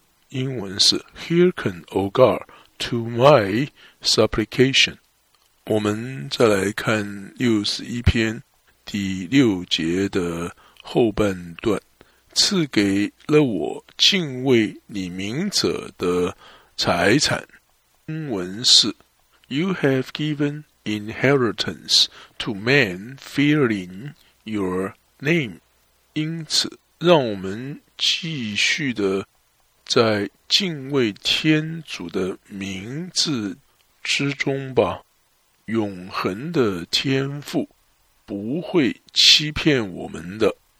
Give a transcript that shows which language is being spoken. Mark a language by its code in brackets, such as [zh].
[zh] 英文是 [en] Hearken, O God, to my supplication。 [zh] 我们再来看61篇第6节的后半段，赐给了我敬畏你名者的财产。英文是 [en] You have given inheritance to men fearing your name. [zh] 因此，让我们继续的在敬畏天主的名字之中吧。永恒的天父不会欺骗我们的。